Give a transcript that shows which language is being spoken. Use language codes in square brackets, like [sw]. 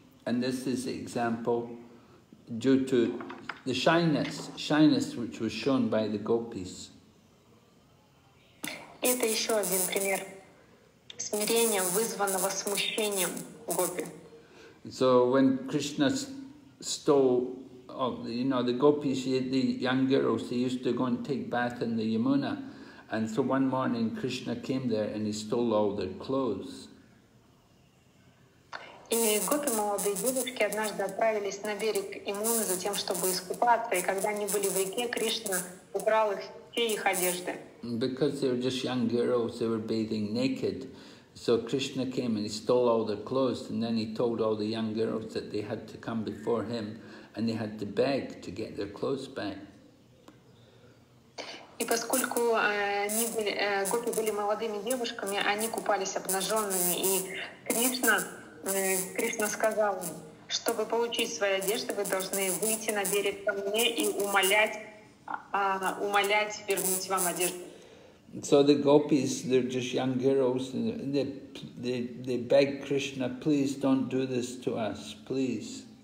[en] And this is the example due to the shyness which was shown by the gopis. [ru] Это еще один пример смирения, вызванного смущением гопи. [en] So when Krishna stole, the gopis, the young girls, they used to go and take bath in the Yamuna. And so one morning Krishna came there and he stole all their clothes. [ru] И гопи, молодые девушки, однажды отправились на берег Ямуны за тем, чтобы искупаться. И когда они были в реке, Кришна украл их все их одежды. [en] Because they were just young girls, they were bathing naked. So Krishna came and he stole all their clothes, and then he told all the young girls that they had to come before him and they had to beg to get their clothes back. [ru] И поскольку гопи были молодыми девушками, они купались обнаженными, и Кришна сказал им, чтобы получить свои одежды, вы должны выйти на берег ко мне и умолять вернуть вам одежду. [en] So the gopis, they're just young girls, and they beg Krishna, please don't do this to us, please.